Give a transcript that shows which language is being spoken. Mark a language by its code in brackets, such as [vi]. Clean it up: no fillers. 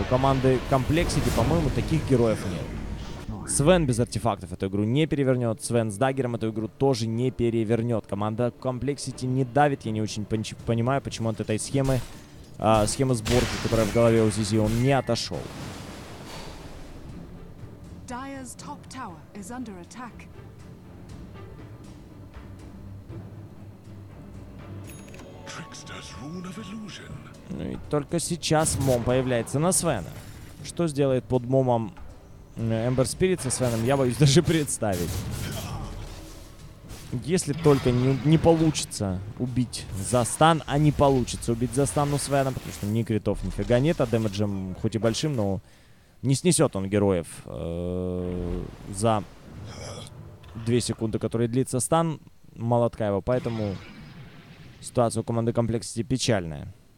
[ru] У команды Complexity, по-моему, таких героев нет. Свен без артефактов эту игру не перевернет. Свен с даггером эту игру тоже не перевернет. Команда Complexity не давит. Я не очень понимаю, почему от этой схемы, схемы сборки, которая в голове у ZZ, он не отошел. [en] Dire's top tower is under attack. Trickster's rune of illusion. [ru] Ну и только сейчас Мом появляется на Свена. Что сделает под Момом Эмбер Спирит со Свеном, я боюсь даже представить. Если только не получится убить за стан, а не получится убить за стан у Свена, потому что ни критов нифига нет, а дэмэджем хоть и большим, но не снесет он героев за 2 секунды, которые длится стан молотка его, поэтому ситуация у команды Complexity печальная.